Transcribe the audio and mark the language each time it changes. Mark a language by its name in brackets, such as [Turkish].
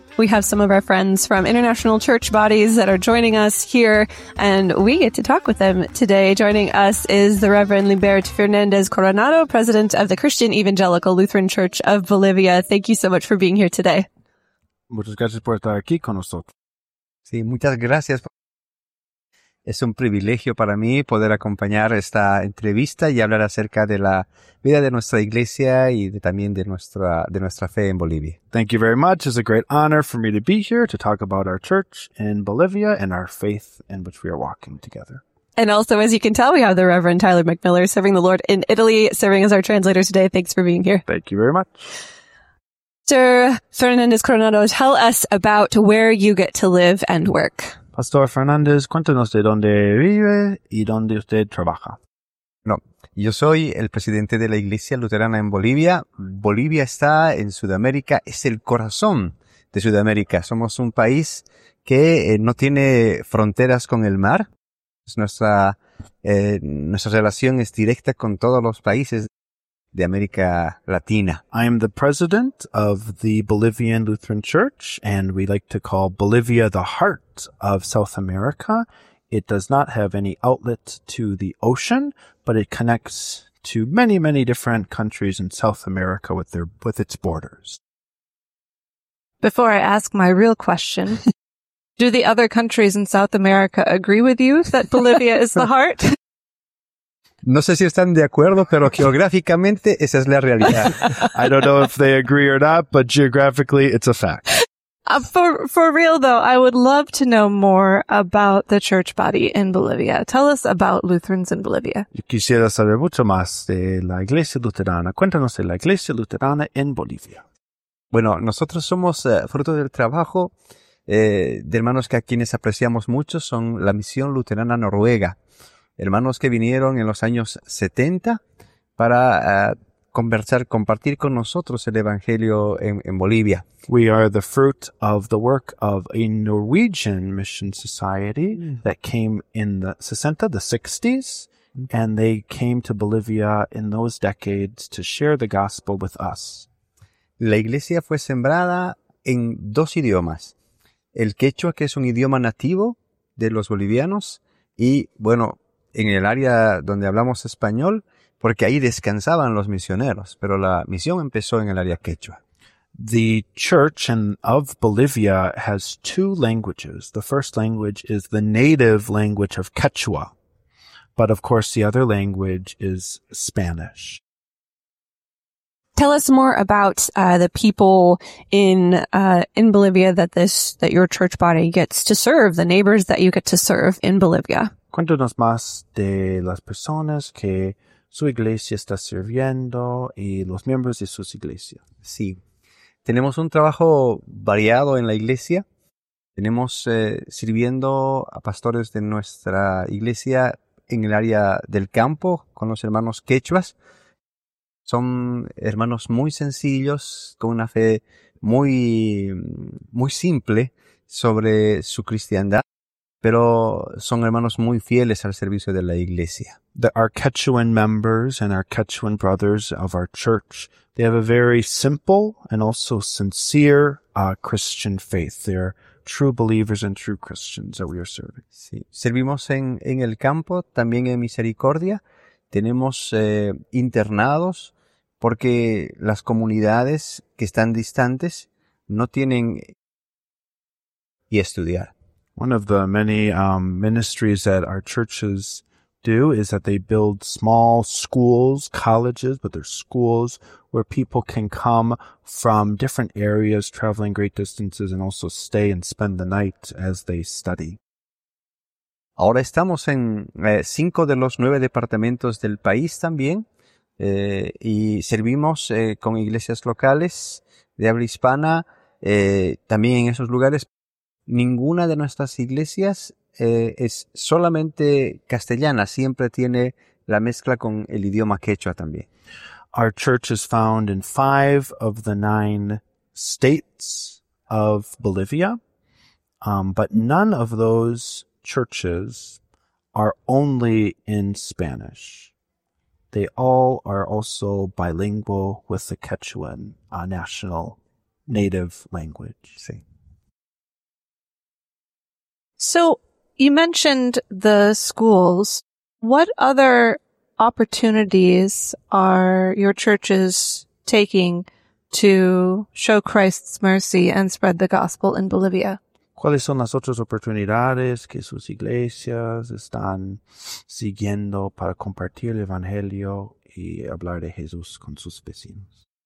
[English] We have some of our friends from international church bodies that are joining us here, and we get to talk with them today. Joining us is the Reverend Liberto Fernandez Coronado, president of the Christian Evangelical Lutheran Church of Bolivia. Thank you so much for being here today. [Spanish] Muchas gracias por estar aquí con nosotros. Sí, muchas gracias. Es un privilegio para mí poder acompañar esta entrevista y hablar acerca de la vida de nuestra iglesia y de, también de nuestra fe en Bolivia. [English] Thank you very much. It's a great honor for me to be here to talk about our church in Bolivia and our faith in which we are walking together. And also, as you can tell, we have the Reverend Tyler McMiller serving the Lord in Italy, serving as our translator today. Thanks for being here. Thank you very much. Sir Fernandez Coronado, tell us about where you get to live and work. [Spanish] Pastor Fernandez, cuéntanos de dónde vive y dónde usted trabaja. No, yo soy el presidente de la Iglesia Luterana en Bolivia. Bolivia está en Sudamérica, es el corazón de Sudamérica. Somos un país que no tiene fronteras con el mar. Es nuestra relación es directa con todos los países de América Latina. [English] I am the president of the Bolivian Lutheran Church, and we like to call Bolivia the heart of South America. It does not have any outlet to the ocean, but it connects to many, many different countries in South America with their with its borders. Before I ask my real question, do the other countries in South America agree with you that Bolivia is the heart? [Spanish] No sé si están de acuerdo, pero geográficamente esa es la realidad. [English] I don't know if they agree or not, but geographically it's a fact. For real though, I would love to know more about the church body in Bolivia. Tell us about Lutherans in Bolivia. [Spanish] Yo quisiera saber mucho más de la Iglesia Luterana. Cuéntanos de la Iglesia Luterana en Bolivia. Bueno, nosotros somos fruto del trabajo de hermanos que a quienes apreciamos mucho son la Misión Luterana Noruega. Hermanos que vinieron en los años 70 para conversar, compartir con nosotros el Evangelio en Bolivia. [English] We are the fruit of the work of a Norwegian mission society that came in the 60s, the 60s, and they came to Bolivia in those decades to share the gospel with us. [Spanish] La iglesia fue sembrada en dos idiomas. El quechua, que es un idioma nativo de los bolivianos, y bueno, en el área donde hablamos español, porque ahí descansaban los misioneros, pero la misión empezó en el área quechua. [English] The church of Bolivia has two languages. The first language is the native language of Quechua, but of course the other language is Spanish. Tell us more about the people in Bolivia that your church body gets to serve, the neighbors that you get to serve in Bolivia. [Spanish] Cuéntanos más de las personas que su iglesia está sirviendo y los miembros de sus iglesias. Sí, tenemos un trabajo variado en la iglesia. Tenemos sirviendo a pastores de nuestra iglesia en el área del campo con los hermanos quechuas. Son hermanos muy sencillos, con una fe muy, muy simple sobre su cristiandad. Pero son hermanos muy fieles al servicio de la iglesia. [English] Our Quechuan members and our Quechuan brothers of our church, they have a very simple and also sincere Christian faith. They're true believers and true Christians that we are serving. [Spanish] Sí. Servimos en el campo, también en misericordia. Tenemos internados porque las comunidades que están distantes no tienen y estudiar. [English] One of the many ministries that our churches do is that they build small schools, colleges, but they're schools where people can come from different areas, traveling great distances, and also stay and spend the night as they study. [Spanish] Ahora estamos en 5 de los 9 departamentos del país también, y servimos con iglesias locales de habla hispana también en esos lugares. Ninguna de nuestras iglesias es solamente castellana, siempre tiene la mezcla con el idioma quechua también. [English] Our church is found in 5 of the 9 states of Bolivia, but none of those churches are only in Spanish. They all are also bilingual with the Quechuan, a national native language. [Spanish] Sí. [English] So you mentioned the schools. What other opportunities are your churches taking to show Christ's mercy and spread the gospel in Bolivia? [Spanish] ¿Cuáles son las otras oportunidades que sus iglesias están siguiendo para compartir el evangelio y hablar de Jesús con sus vecinos?